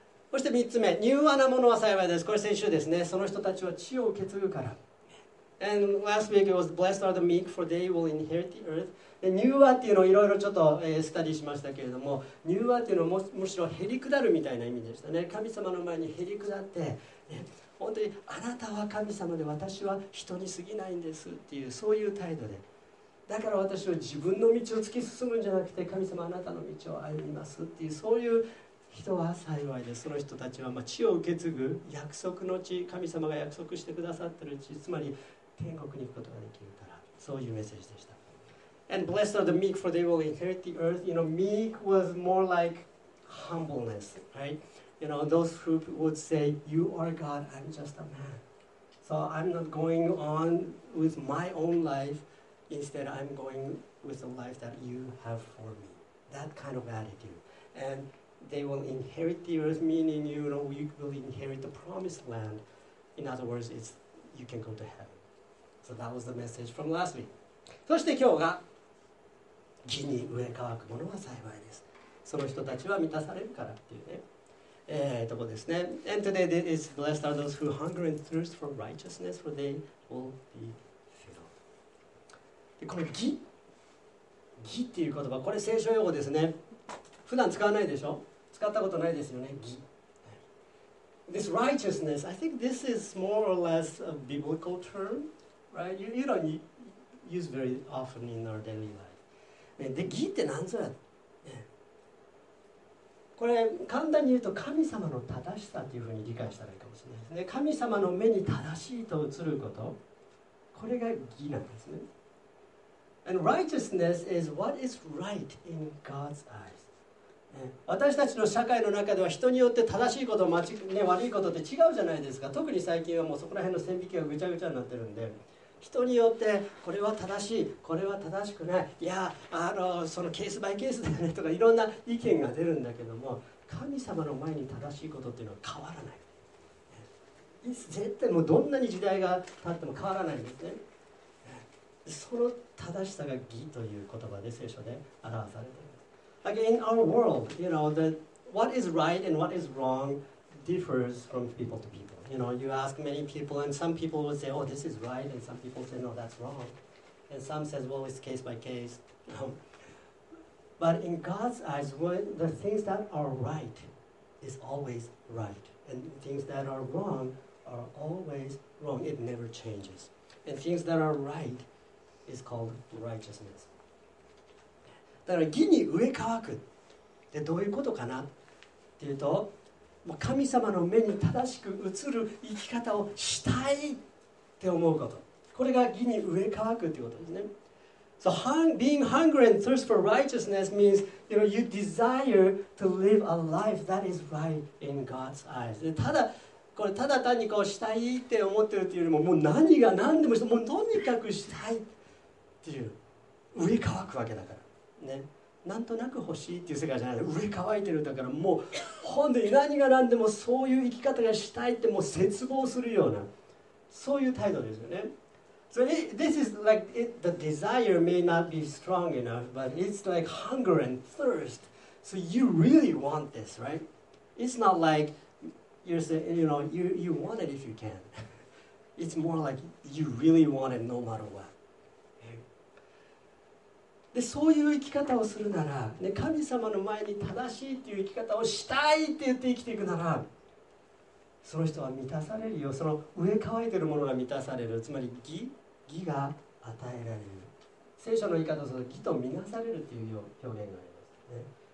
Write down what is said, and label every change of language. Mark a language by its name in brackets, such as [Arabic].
[Japanese] そして3つ目、柔和なものは幸いです。これ先週ですね。その人たちは地を受け継ぐから。 [English] And last week it was blessed are the meek for they will inherit the earth. [Japanese] 柔和っていうのをいろいろちょっとスタディしましたけれども、柔和っていうのはむしろへりくだるみたいな意味でしたね。神様の前にへりくだって、ね、本当にあなたは神様で私は人に過ぎないんですっていう、そういう態度で。だから私は自分の道を突き進むんじゃなくて、神様あなたの道を歩みますっていう、そういう人は幸いです。その人たちは、まあ、地を受け継ぐ約束の地、神様が約束してくださってる地、つまり天国に行くことができるから、そういうメッセージでした。 [English] And blessed are the meek, for they will inherit the earth. You know, meek was more like humbleness, right? You know, those who would say, "You are God, I'm just a man. So I'm not going on with my own life. Instead, I'm going with the life that you have for me." That kind of attitude. AndThey will inherit the earth, meaning, you know, you will inherit the promised land. In other words, it's you can go to heaven. So that was the message from last week. [Japanese] そして今日が、義に飢え渇く者は幸いです。その人たちは満たされるからっていうね。とこですね。 [English] And today it is blessed are those who hunger and thirst for righteousness, for they will be filled. [Japanese] で、この義、義っていう言葉、これ聖書用語ですね。普段使わないでしょ。使ったことないですよね。義。 [English] This righteousness, I think this is more or less a biblical term, right? You don't use very often in our daily life. [Japanese] ね、で、義って何ぞや。これ簡単に言うと神様の正しさというふうに理解したらいいかもしれないですね。神様の目に正しいと映ること、これが義なんですね。 [English] And righteousness is what is right in God's eyes.、 [Japanese] ね、私たちの社会の中では人によって正しいこと、ね、悪いことって違うじゃないですか。特に最近はもうそこら辺の線引きがぐちゃぐちゃになってるんで。人によってこれは正しい、これは正しくない、いや、そのケースバイケースだよねとかいろんな意見が出るんだけども、神様の前に正しいことっていうのは変わらない。絶対もうどんなに時代が経っても変わらないんですね。その正しさが義という言葉で聖書で表されている。 [English] Again, our world, you know, the what is right and what is wrong differs from people to people. You know, you ask many people, and some people will say, oh, this is right, and some people say, no, that's wrong. And some says, well, it's case by case. But in God's eyes, the things that are right is always right. And things that are wrong are always wrong. It never changes. And things that are right is called righteousness. [Japanese] だから義に植え乾く。で、どういうことかなっていうと、神様の目に正しく映る生き方をしたいって思うこと、これが義に植え乾くということですね。 [English] So being hungry and thirst for righteousness means you know, you desire to live a life that is right in God's eyes. [Japanese] ただこれただ単にこうしたいって思ってるというよりももう何が何でもして、もうとにかくしたいっていう、植え乾くわけだからね。なんとなく欲しいっていう世界じゃない、上乾いてるだからもう本当に何が何でもそういう生き方がしたいってもう絶望するようなそういう態度ですよね。 [English] So this is like the desire may not be strong enough but it's like hunger and thirst. So you really want this, right? It's not like you're saying, you know, you want it if you can. It's more like you really want it no matter what. [Japanese] でそういう生き方をするなら、ね、神様の前に正しいっていう生き方をしたいって言って生きていくなら、その人は満たされるよ。その植え乾いてるものが満たされる。つまり義が与えられる。聖書の言い方をすると義と見なされるっていう表現があります、ね。